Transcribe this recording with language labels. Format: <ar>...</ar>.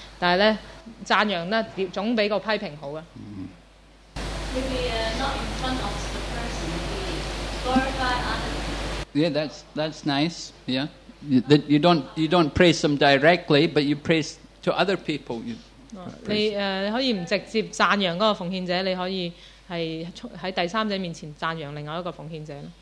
<yue>但係咧，讚揚咧總比個批評好嘅。</yue> <en>Maybe not in front of the person, glorify others. Yeah, that's nice. Yeah, you don't praise them directly, but you praise to other people. You</en> <yue>你可以唔直接讚揚嗰個奉獻者，你可以係喺第三者面前讚揚另外一個奉獻者。</yue>